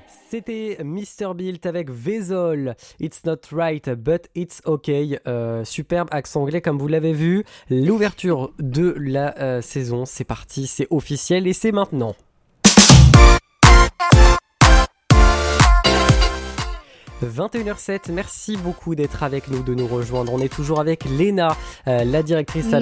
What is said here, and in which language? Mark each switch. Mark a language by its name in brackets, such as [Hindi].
[French] c'est Mr Built avec Vesol. [English] It's not right, but it's okay. [French] Superbe accent anglais, comme vous l'avez vu. L'ouverture de la saison, c'est parti, c'est officiel et c'est maintenant. 21h07, merci beaucoup d'être avec nous, de nous rejoindre. On est toujours avec Léna, la directrice adjointe.